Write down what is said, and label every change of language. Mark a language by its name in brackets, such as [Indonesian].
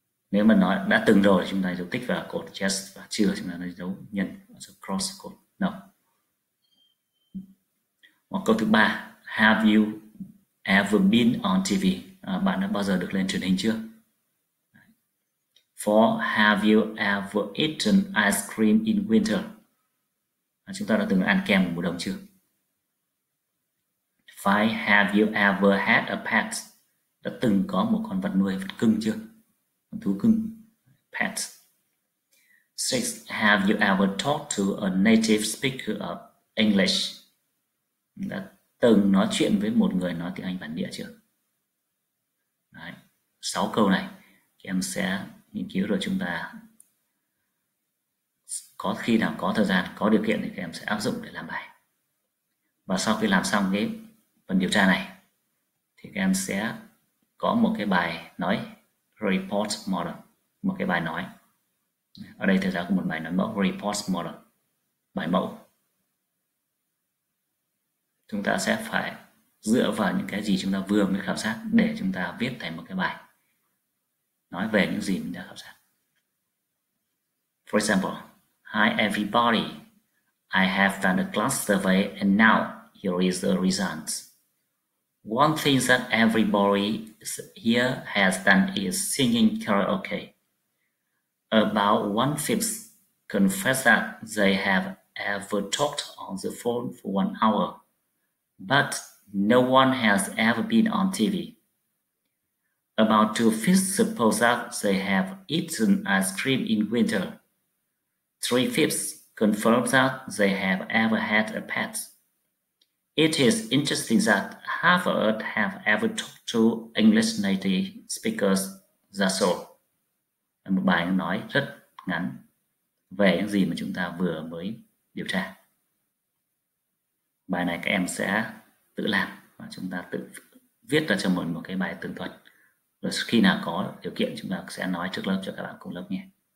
[Vietnamese] Nếu mà nói đã từng rồi, chúng ta dấu tích vào cột yes, và chưa, chúng ta đánh dấu nhân, [English] so cross [Vietnamese] cột no. Hoặc câu thứ ba, [English] have you ever been on TV? [Vietnamese] Bạn đã bao giờ được lên truyền hình chưa? [English] For have you ever eaten ice cream in winter? [Vietnamese] Chúng ta đã từng ăn kem mùa đông chưa? [English] Five, have you ever had a pet? [Vietnamese] Đã từng có một con vật nuôi, vật cưng chưa? Con thú cưng, [English] pet. Six, have you ever talked to a native speaker of English? [Vietnamese] Đã từng nói chuyện với một người nói tiếng Anh bản địa chưa? Đấy, 6 câu này em sẽ nghiên cứu rồi chúng ta có khi nào có thời gian, có điều kiện thì em sẽ áp dụng để làm bài. Và sau khi làm xong cái phần điều tra này thì em sẽ có một cái bài nói report model, một cái bài nói. Ở đây thầy giáo có một bài nói mẫu report model, bài mẫu. Chúng ta sẽ phải dựa vào những cái gì chúng ta vừa mới khảo sát để chúng ta viết thành một cái bài nói về những gì mình đã khảo sát. [English] For example, hi everybody, I have done a class survey and now here is the results. One thing that everybody here has done is singing karaoke. About one-fifth confess that they have ever talked on the phone for 1 hour. But no one has ever been on TV. About two-fifths suppose that they have eaten ice cream in winter. Three-fifths confirm that they have ever had a pet. It is interesting that half of us have ever talked to English native speakers, that's all. [Vietnamese] Một bài nói rất ngắn về những gì mà chúng ta vừa mới điều tra. Bài này các em sẽ tự làm và chúng ta tự viết ra cho mình một cái bài tường thuật. Rồi khi nào có điều kiện chúng ta sẽ nói trước lớp cho các bạn cùng lớp nhé.